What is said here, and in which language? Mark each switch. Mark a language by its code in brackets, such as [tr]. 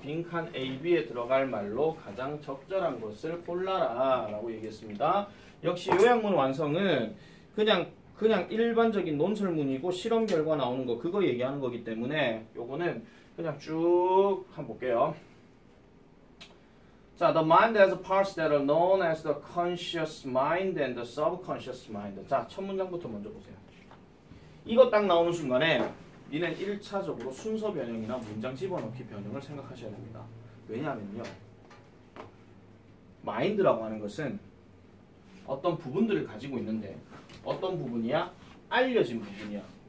[ko] 빈칸 AB에 들어갈 말로 가장 적절한 것을 골라라 라고 얘기했습니다. 역시 요약문 완성은 그냥 일반적인 논설문이고 실험 결과 나오는 거 그거 얘기하는 거기 때문에 요거는 그냥 쭉 한번 볼게요. [en] 자, the mind has parts that are known as the conscious mind and the subconscious mind. [ko] 자, 첫 문장부터 먼저 보세요. 이거 딱 나오는 순간에 니는 1차적으로 순서 변형이나 문장 집어넣기 변형을 생각하셔야 됩니다. 왜냐하면요, 마인드라고 하는 것은 어떤 부분들을 가지고 있는데 어떤 부분이야? 알려진 부분이야.